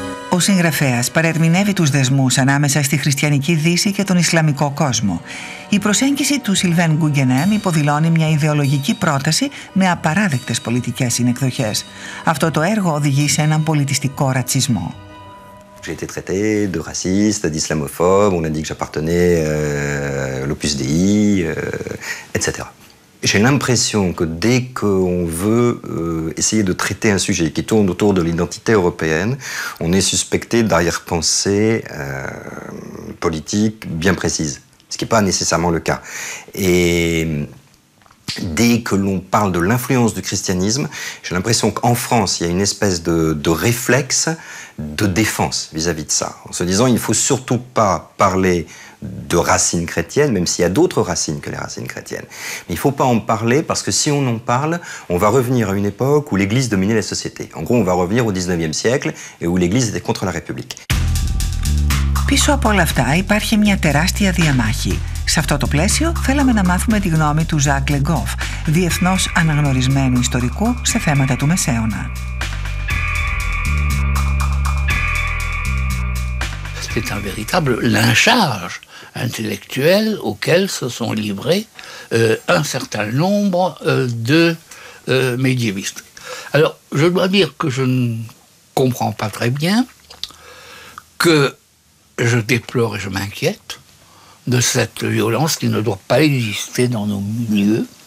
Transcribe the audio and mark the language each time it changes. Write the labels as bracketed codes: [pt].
[el] Ο συγγραφέας παρερμηνεύει τους δεσμούς ανάμεσα στη χριστιανική Δύση και τον Ισλαμικό κόσμο. Η προσέγγιση του Σιλβέν Γκουγγενέμ υποδηλώνει μια ιδεολογική πρόταση με απαράδεκτες πολιτικές συνεκδοχές. Αυτό το έργο οδηγεί σε έναν πολιτιστικό ρατσισμό. [fr] J'ai été traité de raciste, d'islamophobe, on a dit que j'appartenais à l'Opus Dei, etc. J'ai l'impression que dès qu'on veut essayer de traiter un sujet qui tourne autour de l'identité européenne, on est suspecté d'arrière-pensée politique bien précise, ce qui n'est pas nécessairement le cas. Et dès que l'on parle de l'influence du christianisme, j'ai l'impression qu'en France, il y a une espèce de réflexe de défense vis-à-vis de ça, en se disant il ne faut surtout pas parler de racines chrétiennes, même s'il y a d'autres racines que les racines chrétiennes. Mais il ne faut pas en parler, parce que si on en parle, on va revenir à une époque où l'Église dominait la société. En gros, on va revenir au 19e siècle, et où l'Église était contre la République. [el] Πίσω από όλα αυτά υπάρχει μια τεράστια διαμάχη. Σε αυτό το πλαίσιο θέλαμε να μάθουμε τη γνώμη του Ζακ Λεγκόφ, διεθνώς αναγνωρισμένου ιστορικού σε θέματα του Μεσαίωνα. [fr] C'est un véritable lynchage intellectuel auquel se sont livrés un certain nombre médiévistes. Alors, je dois dire que je ne comprends pas très bien, que je déplore et je m'inquiète de cette violence qui ne doit pas exister dans nos milieux.